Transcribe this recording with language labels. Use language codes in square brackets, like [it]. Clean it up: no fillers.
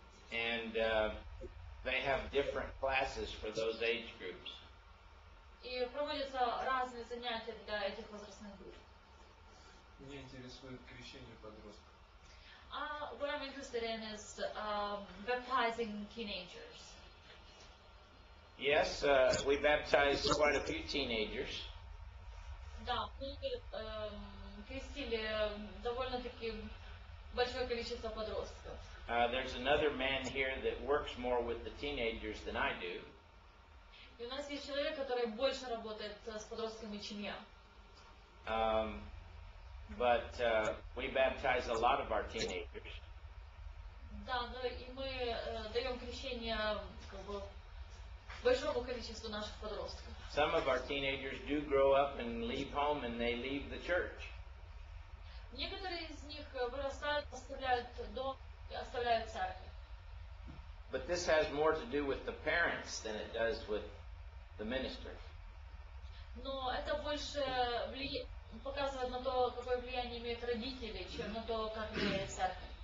[en] And they have different classes for those age groups. [ru] И проводятся разные занятия для этих возрастных групп. Меня интересует крещение подростков. [en] What I'm interested in is baptizing teenagers. Yes, we baptized quite a few teenagers. [ru] Да, мы крестили довольно-таки большое количество подростков. [en] There's another man here that works more with the teenagers than I do. [ru] И у нас есть человек, который больше работает с подростками, чем я. [en] But we baptize a lot of our teenagers. [ru] Да, но и мы даем крещение как бы большому количеству наших подростков. [en] Some of our teenagers do grow up and leave home and they leave the church. [ru] Некоторые из них вырастают, оставляют дом и оставляют церковь. [en] But this has more to do with the parents than it does with the minister. [ru] Но это больше влияет. Показывает на то, какое влияние имеют родители, чем на то, как влияет церковь.